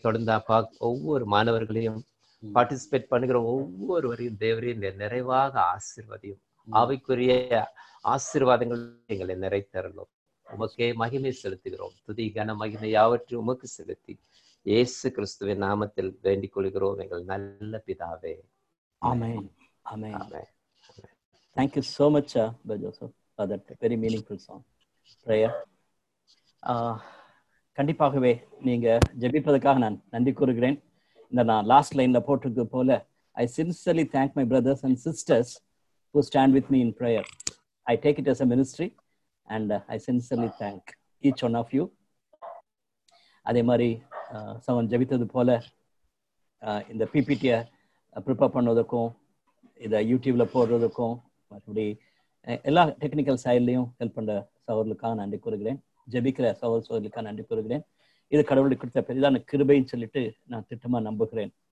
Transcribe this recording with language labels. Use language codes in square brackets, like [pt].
[ta] தொடர்ந்து அப்பா ஒவ்வொரு மாணவர்களையும் பார்ட்டிசிபேட் பண்ணுகிற ஒவ்வொருவரையும் தேவரையும் நிறைவாக ஆசீர்வதியும். ஆவிக்குரிய ஆசீர்வாதங்கள் எங்களை நிறைத்தரலும். உமக்கே மகிமை செலுத்துகிறோம். துதி கன மகிமை யாவற்றை உமக்கு செலுத்தி இயேசு கிறிஸ்துவின் நாமத்தில் வேண்டிக் கொள்கிறோம் எங்கள் நல்ல பிதாவே. ஆமென், ஆமென். [en] Thank you so much, Joseph, for that very meaningful song. Prayer. [ta] கண்டிப்பாகவே நீங்க ஜெபிப்பதற்காக நான் நன்றி கூறுகிறேன். இந்த நான் லாஸ்ட் லைன்ல போட்டிருக்க போல, [en] I sincerely thank my brothers and sisters who stand with me in prayer. I take it as a ministry and I sincerely thank each one of you. [ta] அதே மாதிரி சவன் ஜெபித்தது போல இந்த PPT-ய ப்ரிப்பேர் பண்ணுவதற்கும் இதை யூடியூப்ல போடுறதுக்கும் மற்றபடி எல்லா டெக்னிக்கல் சைட்லையும் ஹெல்ப் பண்ற சகோதர்களுக்காக நன்றி கூறுகிறேன். ஜெபிக்கிற சகோதர சகோதரிகளுக்காக நன்றி கூறுகிறேன். இது கடவுளுக்கு கொடுத்த பெரிதான கிருபைன்னு சொல்லிட்டு நான் திட்டமா நம்புகிறேன்.